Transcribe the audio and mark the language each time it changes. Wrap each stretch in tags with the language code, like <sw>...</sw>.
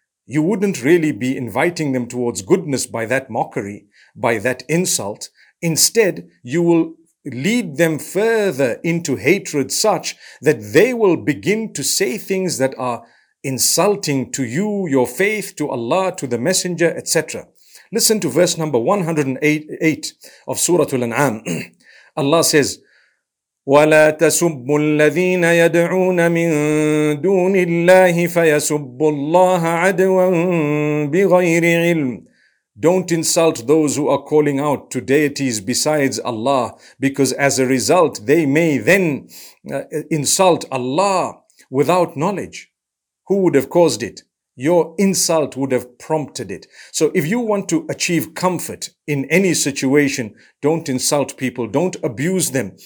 <en>You wouldn't really be inviting them towards goodness by that mockery, by that insult. Instead, you will lead them further into hatred such that they will begin to say things that are insulting to you, your faith, to Allah, to the Messenger, etc. Listen to verse number 108 of Surah Al-An'am. Allah says,</en> <ar>وَلَا تَسُبُّوا الَّذِينَ يَدْعُونَ مِن دُونِ اللَّهِ فَيَسُبُّوا اللَّهَ عَدْوًا بِغَيْرِ عِلْمٍ.</ar> <en>Don't insult those who are calling out to deities besides Allah, because as a result, they may then insult Allah without knowledge. Who would have caused it? Your insult would have prompted it. So if you want to achieve comfort in any situation, don't insult people, don't abuse them.</en>